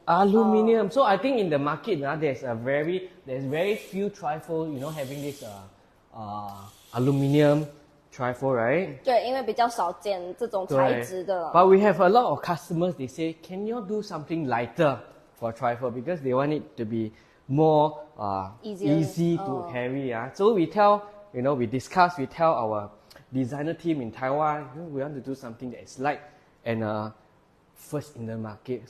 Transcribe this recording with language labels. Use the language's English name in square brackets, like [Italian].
[English] Aluminium， so I think in the market now there's very few trifold， you know having this aluminium。 Trifold, right? [Chinese] 对，因为比较少见这种材质的。 [English] But we have a lot of customers. They say, "Can you do something lighter for trifold? Because they want it to be more easy to carry." Yeah. So we tell, you know, we discuss. We tell our designer team in Taiwan, you know, we want to do something that is light and first in the market.